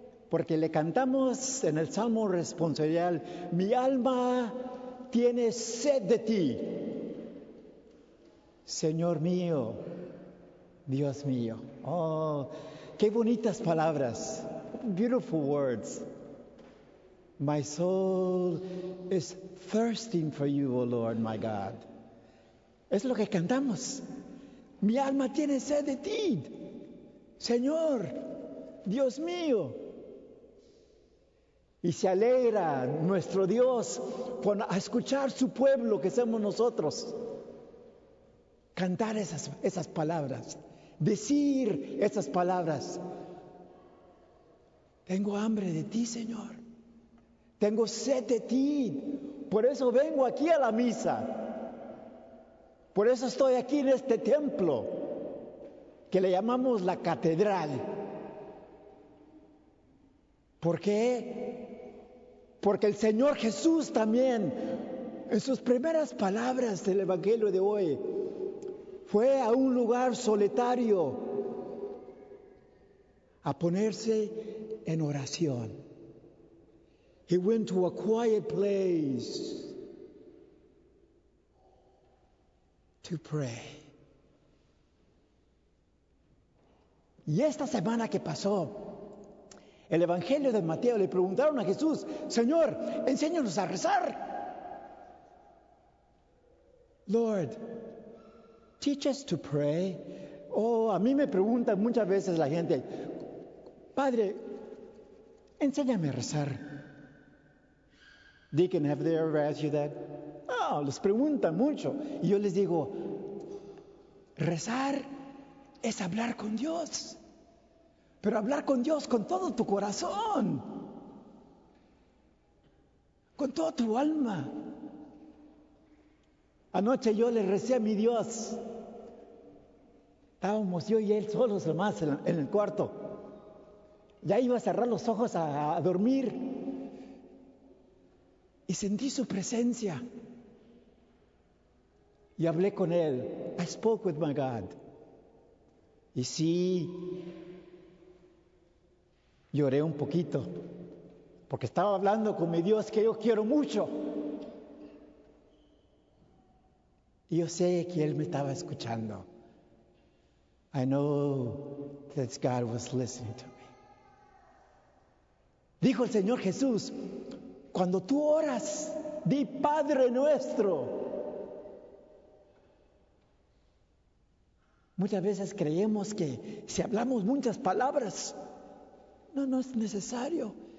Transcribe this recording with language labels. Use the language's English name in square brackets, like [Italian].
[Spanish] Porque le cantamos en el Salmo responsorial: mi alma tiene sed de ti, Señor mío, Dios mío. Oh, qué bonitas palabras. [English] Beautiful words. My soul is thirsting for you, oh Lord, my God. [Spanish] Es lo que cantamos. Mi alma tiene sed de ti, Señor, Dios mío. Y se alegra nuestro Dios con escuchar su pueblo, que somos nosotros, cantar esas palabras. Decir esas palabras: tengo hambre de ti, Señor, tengo sed de ti, por eso vengo aquí a la misa, por eso estoy aquí en este templo que le llamamos la catedral. ¿Por qué? Porque el Señor Jesús también, en sus primeras palabras del Evangelio de hoy, fue a un lugar solitario a ponerse en oración. [English] He went to a quiet place to pray. [Spanish] Y esta semana que pasó, el Evangelio de Mateo, le preguntaron a Jesús: Señor, enséñanos a rezar. [English] Lord, teach us to pray. [Spanish] Oh, a mí me preguntan muchas veces la gente, Padre, enséñame a rezar. [English] Deacon, have they ever asked you that? [Spanish] Oh, les preguntan mucho. Y yo les digo, rezar es hablar con Dios. Pero hablar con Dios con todo tu corazón. Con toda tu alma. Anoche yo le recé a mi Dios. Estábamos yo y él solos nomás en el cuarto. Ya iba a cerrar los ojos a dormir. Y sentí su presencia. Y hablé con él. [English] I spoke with my God. [Spanish] Y sí, lloré un poquito. Porque estaba hablando con mi Dios que yo quiero mucho. Y yo sé que él me estaba escuchando. [English] I know that God was listening to me. [Spanish] Dijo el Señor Jesús, cuando tú oras, di Padre nuestro. Muchas veces creemos que si hablamos muchas palabras, no es necesario.